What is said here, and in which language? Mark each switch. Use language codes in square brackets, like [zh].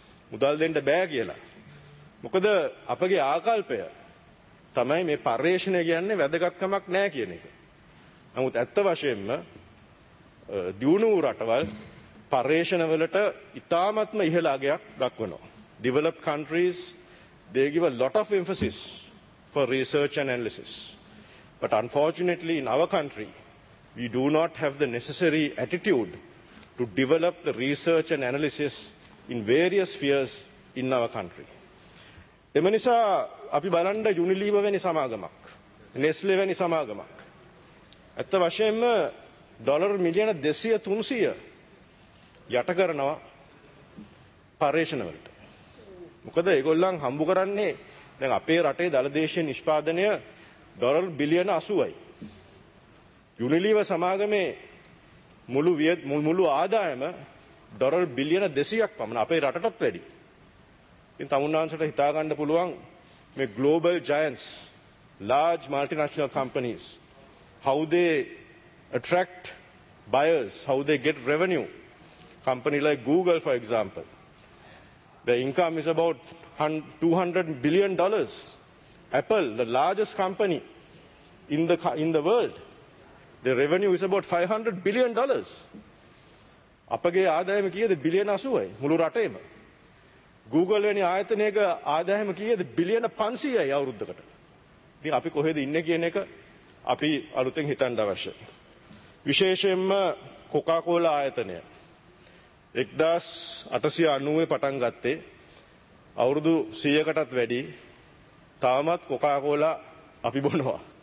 [si] මුදල් දෙන්න බෑ කියලා. මොකද අපගේ ආකල්පය තමයි මේ පර්යේෂණය කියන්නේ වැදගත්කමක් නැහැ කියන එක. නමුත් ඇත්ත වශයෙන්ම දියුණු රටවල් පර්යේෂණ වලට ඉතාමත්ම ඉහළ අගයක් දක්වනවා. [en] Developed countries, they give a lot of emphasis for research and analysis. But unfortunately, in our country, we do not have the necessary attitude to develop the research and analysis in various spheres in our country. [si] එම නිසා අපි බලන්න යුනිලීව වැනි සමාගමක්, නෙස්ලේ වැනි සමාගමක්. ඇත්ත වශයෙන්ම dollar මිලියන 200-300 යට කරනවා පර්යේෂණ වලට. මොකද ඒගොල්ලන් හම්බ කරන්නේ දැන් අපේ රටේ දළ දේශීය නිෂ්පාදනය ඩොලර් බිලියන 80යි. යුනිලීව සමාගමේ මුළු ආදායම ඩොලර් බිලියන 200ක් පමණ අපේ රටටත් වැඩි. ඉතින් තමුන්නාන්සට හිතා ගන්න පුළුවන් මේ [en] Global giants large multinational companies how they attract buyers, how they get revenue. Company like Google, for example, their income is about $200 billion. Apple, the largest company in the world, their revenue is about $500 billion. [si] අපගේ ආදායම කීයද බිලියන 80යි මුළු රටේම. Google වැනි ආයතනයක ආදායම කීයද බිලියන 500යි අවුරුද්දකට. ඉතින් අපි කොහෙද ඉන්නේ කියන එක අපි අලුතෙන් හිතන්න අවශ්‍යයි. විශේෂයෙන්ම කොකාකෝලා ආයතනය 1890 පටන් ගත්තේ අවුරුදු 100කටත් වැඩි තාමත් කොකාකෝලා අපි බොනවා.